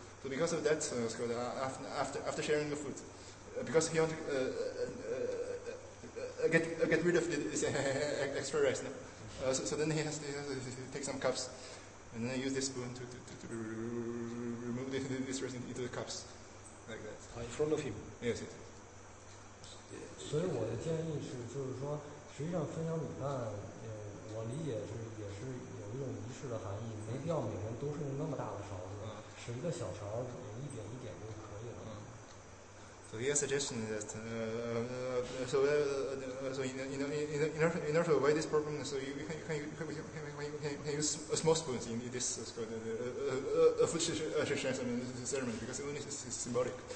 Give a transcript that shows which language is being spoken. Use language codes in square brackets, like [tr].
[en] So because of that, after sharing the food, because he wants to get rid of this extra rice, no? So then he has to take some cups, and then use this spoon to remove this rice into the cups, like that. In front of him. Yes. [zh] 所以我的建议是，就是说，实际上分享米饭，我理解是也是。一种仪式的含义，没必要每人都是那么大的勺子，使一个小勺一点一点就可以了。 [en] So he has suggestion that in order to avoid this problem, so you can use a small spoons in this food ceremony because only it's symbolic.